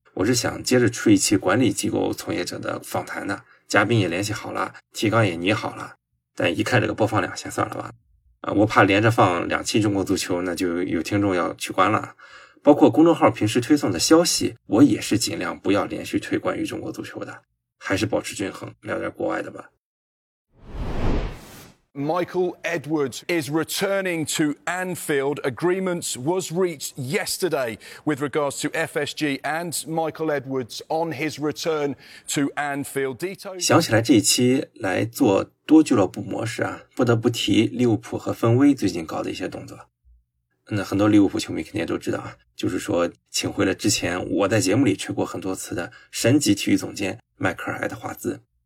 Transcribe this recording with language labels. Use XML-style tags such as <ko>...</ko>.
<zh>我是想接着出一期管理机构从业者的访谈呢，嘉宾也联系好了，提纲也拟好了，但一看这个播放量，先算了吧。我怕连着放两期中国足球，那就有听众要取关了。包括公众号平时推送的消息，我也是尽量不要连续推关于中国足球的，还是保持均衡，聊点国外的吧。</zh> <en>Michael Edwards is returning to Anfield. Agreement was reached yesterday with regards to FSG and Michael Edwards on his return to Anfield.</en> <zh>想起来这一期来做多俱乐部模式啊，不得不提利物浦和分威最近搞的一些动作。那很多利物浦球迷肯定都知道啊，就是说请回了之前我在节目里吹过很多次的神级体育总监迈克尔爱德华兹。</zh>